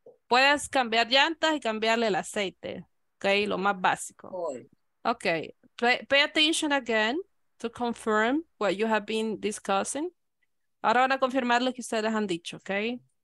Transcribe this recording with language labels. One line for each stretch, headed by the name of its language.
Spanish: Puedes cambiar llantas y cambiarle el aceite, okay, lo más básico.
English: Okay, pay attention again to confirm what you have been discussing.
Spanish: Ahora van a confirmar lo que ustedes han dicho, okay.